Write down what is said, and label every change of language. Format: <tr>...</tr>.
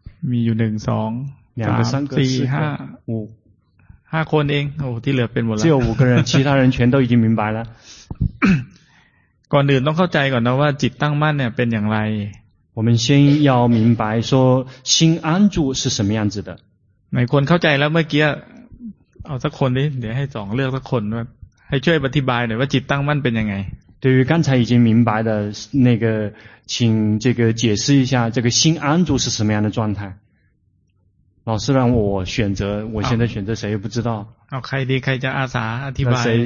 <th>มีอยู่หนึ่งสองสามสี่ห้าคนเองโอ้ที่เหลือเป็นหมดแล้ว</th> <zh>只有五个人其他人全都已经明白了</zh> <th>ก่อนอื่นต้องเข้าใจก่อนนะว่าจิตตั้งมั่นเนี่ยเป็นอย่างไร</th> <zh>我们先要明白说心安住是什么样子的</zh> <th>每คนเข้าใจแล้วเมื่อกี้เอาสักคนดิเดี๋ยวให้สองเลือกสักคนว่าให้ช่วยอธิบายหน่อยว่าจิตตั้งมั่นเป็นยังไง</th> <zh>对于刚才已经明白的那个请这个解释一下这个心安住是什么样的状态老师让我选择我现在选择谁也不知道</zh> <th>เอาใครดีใครจะอาสาอธิบาย</th>